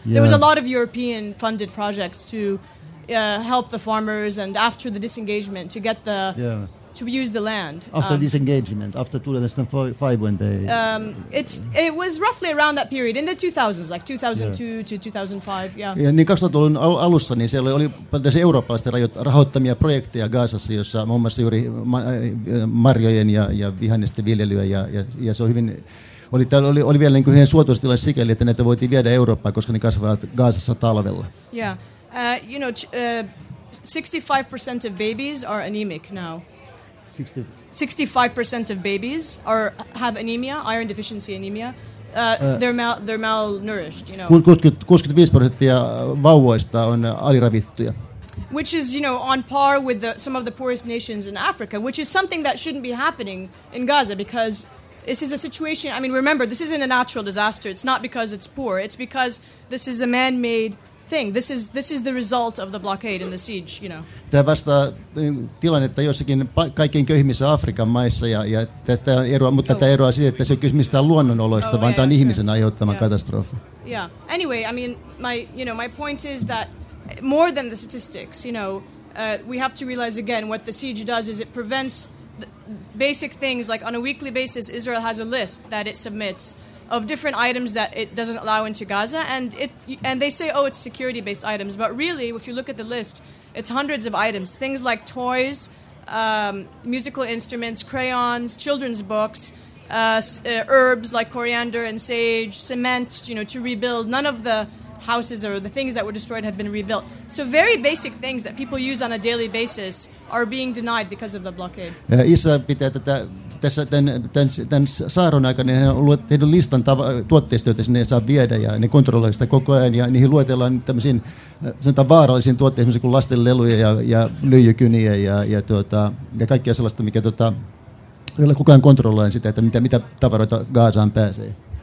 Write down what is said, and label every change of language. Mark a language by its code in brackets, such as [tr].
[en] There was a lot of European-funded projects to help the farmers and after the disengagement to get the to use the land after disengagement after 2005 when they it was roughly around that period in the 2000s like 2002 to 2005 [fi] niin 2000-luvun alussa niin siellä oli paljon eurooppalaisten rahoittamia projekteja Gaasassa, jossa muun muassa juuri marjojen ja vihannesten viljelyä ja se on hyvin oli vielä niin kuin ihan suotuisa tilanne sikäli, että näitä voitiin viedä Eurooppaan, koska ne kasvavat Gaasassa talvella. [en] Yeah. 65% of babies are anemic now. 65% of babies have anemia, iron deficiency anemia. They're malnourished, you know. [fi] 65% vauvoista on aliravittuja. [en] Which is, you know, on par with some of the poorest nations in Africa, which is something that shouldn't be happening in Gaza, because this is a situation, I mean, remember, this isn't a natural disaster. It's not because it's poor. It's because this is a man-made thing. This is the result of the blockade and the siege, you know. [fi] Tämä vastaa tilannetta jossakin kaikkein köyhimmissä Afrikan maissa ja tätä eroa, mutta tämä eroaa siitä, että se on kysymys tämän luonnonoloista, vaan tämä on ihmisen aiheuttama katastrofi. [en] Yeah. Anyway, I mean, my point is that more than the statistics, you know, we have to realize again what the siege does is it prevents basic things. Like on a weekly basis, Israel has a list that it submits of different items that it doesn't allow into Gaza, and they say, oh, it's security based items, but really, if you look at the list, it's hundreds of items, things like toys, musical instruments, crayons, children's books, herbs like coriander and sage, cement, you know, to rebuild. None of the houses or the things that were destroyed have been rebuilt. So very basic things that people use on a daily basis are being denied because of the blockade. [fi] Israel pitää tätä tässä tämän saaron aikana niin on tehnyt listan tuotteista, joita sinne ei saa viedä, ja ne kontrolloivat sitä koko ajan, ja niihin luetellaan tämmöisiin sanotaan vaarallisiin tuotteisiin, kuin lasten leluja ja lyijykyniä ja kaikkea sellaista, mikä jolla kukaan kontrolloi sitä, että mitä tavaroita Gazaan pääsee.